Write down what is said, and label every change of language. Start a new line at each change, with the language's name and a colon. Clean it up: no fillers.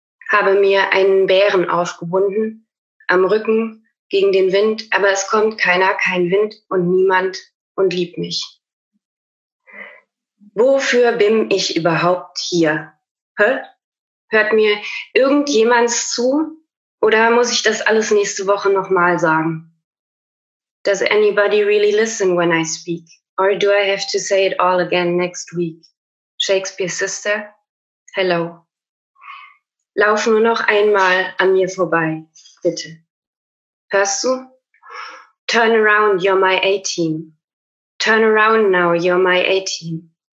German: Habe mir einen Bären aufgebunden, am Rücken, gegen den Wind, aber es kommt keiner, kein Wind und niemand und liebt mich. Wofür bin ich überhaupt hier? Hä? Hört mir irgendjemand zu? Oder muss ich das alles nächste Woche nochmal sagen?
English: Does anybody really listen when I speak? Or do I have to say it all again next week? Shakespeare's sister? Hello.
German: Lauf nur noch einmal an mir vorbei, bitte. Hörst du?
English: Turn around, you're my 18. Turn around now, you're my 18.